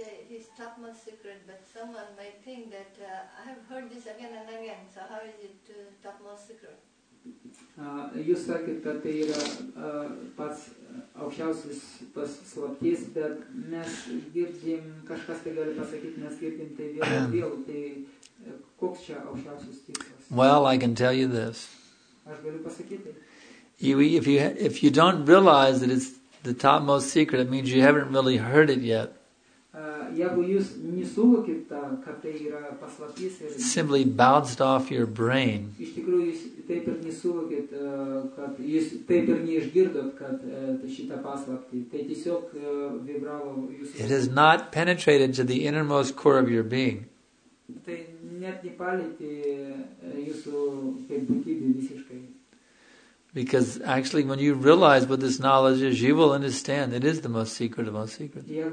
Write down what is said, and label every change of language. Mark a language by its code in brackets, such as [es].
[en] It's topmost secret, but someone might think that I have heard this again and again, so how is it topmost secret? [lt] Jūs sakėt, kad tai yra pats aukščiausias paslaptis, bet mes girdim, kažkas tai gali pasakyti, mes girdim tai vėl, tai koks čia aukščiausias tikslas? [en] Well, I can tell you this. [lt] Aš galiu pasakyti. [en] If you don't realize that it's the topmost secret, it means you haven't really heard it yet. [lt] Jeigu jūs nesuvokit, kad tai yra paslaptis, [en] simply bounced off your brain. [lt] Iš tikrųjų, jūs taip ir nesuvokit, kad jūs taip ir neišgirdot, kad šitą paslaptį. Tai tiesiog vibravo jūsų. [en] It has not penetrated to the innermost core of your being. [lt] Tai net nepalietė jūsų kaip būtybė visiškai. [en] Because actually when you realize what this knowledge is, you will understand it is the most secret of all secrets.